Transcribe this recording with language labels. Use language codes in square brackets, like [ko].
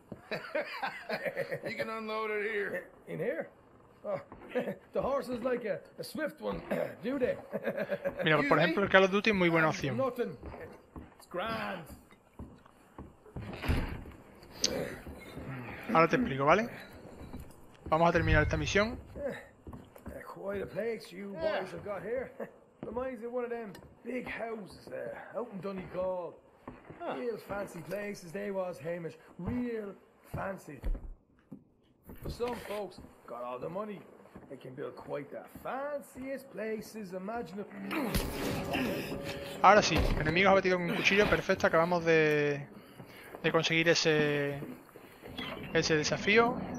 [en] You can unload it here. In here? Oh, the horse is like a swift one, do they? [es] Mira, por ejemplo, el Call of Duty es muy buena opción. [en] Nothing. It's grand. [es] Ahora te explico, ¿vale? Vamos a terminar esta misión. [en] Quite a place you boys have got here. Reminds me of one of them big houses out in Donegal. Huh. Real fancy places they was, Hamish. Real fancy. But some folks got all the money. They can build quite the fanciest places imaginable. [es] Ahora sí, enemigos abatidos con un cuchillo, perfecto, acabamos de conseguir ese desafío.